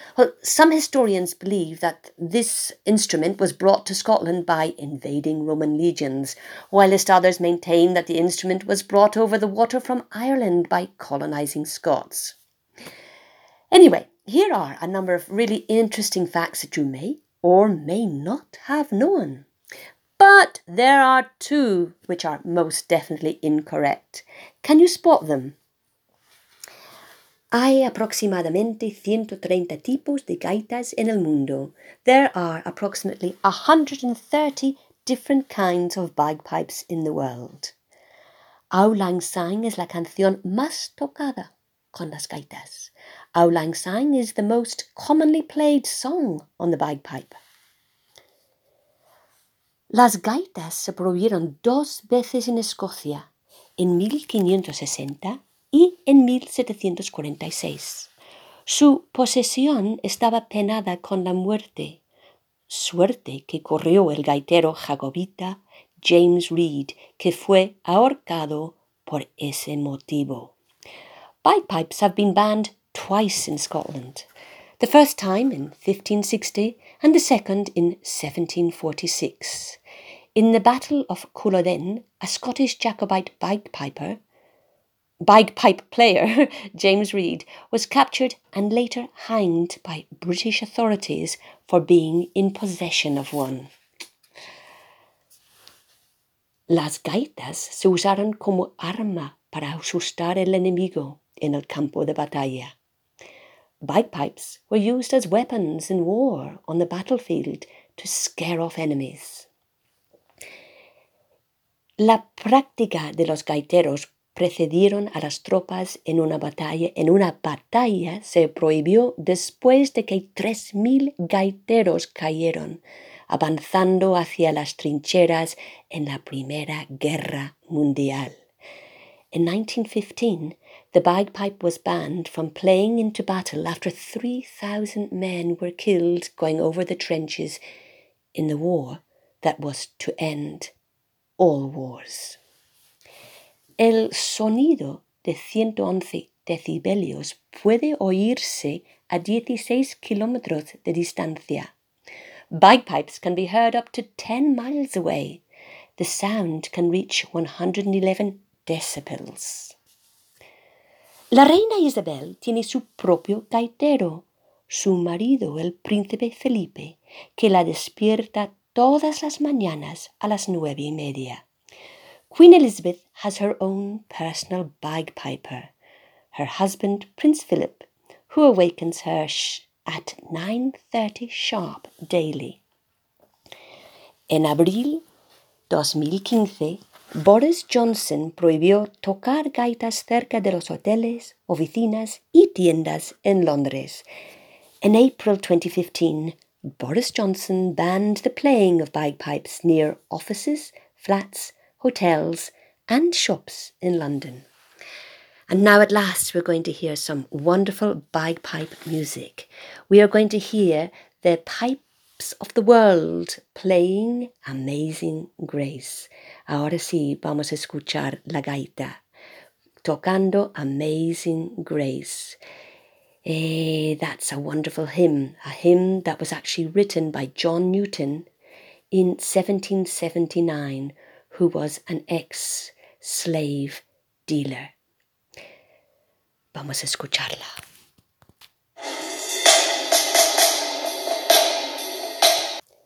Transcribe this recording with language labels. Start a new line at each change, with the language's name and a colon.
English: Well, some historians believe that this instrument was brought to Scotland by invading Roman legions, whilst others maintain that the instrument was brought over the water from Ireland by colonising Scots. Anyway, here are a number of really interesting facts that you may or may not have known. But there are two which are most definitely incorrect. Can you spot them?
Spanish: Hay aproximadamente 130 tipos de gaitas en el mundo.
English: There are approximately 130 different kinds of bagpipes in the world.
Spanish: Auld Lang Syne es la canción más tocada con las gaitas.
English: Auld Lang Syne is the most commonly played song on the bagpipe.
Spanish: Las gaitas se prohibieron dos veces en Escocia, en 1560 y en 1746. Su posesión estaba penada con la muerte, suerte que corrió el gaitero jacobita James Reed, que fue ahorcado por ese motivo.
English: Bagpipes have been banned twice in Scotland, the first time in 1560 and the second in 1746. In the Battle of Culloden, a Scottish Jacobite bagpipe player, James Reed, was captured and later hanged by British authorities for being in possession of one.
Spanish: Las gaitas se usaron como arma para asustar el enemigo en el campo de batalla.
English: Bagpipes were used as weapons in war on the battlefield to scare off enemies.
Spanish: La práctica de los gaiteros precedieron a las tropas en una batalla. En una batalla se prohibió después de que 3,000 gaiteros cayeron, avanzando hacia las trincheras en la Primera Guerra Mundial.
English: In 1915, the bagpipe was banned from playing into battle after 3,000 men were killed going over the trenches in the war that was to end all wars.
Spanish: El sonido de 111 decibelios puede oírse a 16 kilómetros de distancia.
English: Bagpipes can be heard up to 10 miles away. The sound can reach 111 decibels.
Spanish: La reina Isabel tiene su propio gaitero, su marido, el príncipe Felipe, que la despierta todas las mañanas a las 9:30.
English: Queen Elizabeth has her own personal bagpiper, her husband, Prince Philip, who awakens her at 9:30 sharp daily.
Spanish: En abril 2015, Boris Johnson prohibió tocar gaitas cerca de los hoteles, oficinas y tiendas en Londres.
English: In April 2015, Boris Johnson banned the playing of bagpipes near offices, flats, hotels and shops in London. And now at last we're going to hear some wonderful bagpipe music. We are going to hear the pipes of the world playing Amazing Grace.
Spanish: Ahora sí, vamos a escuchar la gaita tocando Amazing Grace.
English: That's a wonderful hymn, a hymn that was actually written by John Newton in 1779, who was an ex-slave dealer.
Spanish: Vamos a escucharla.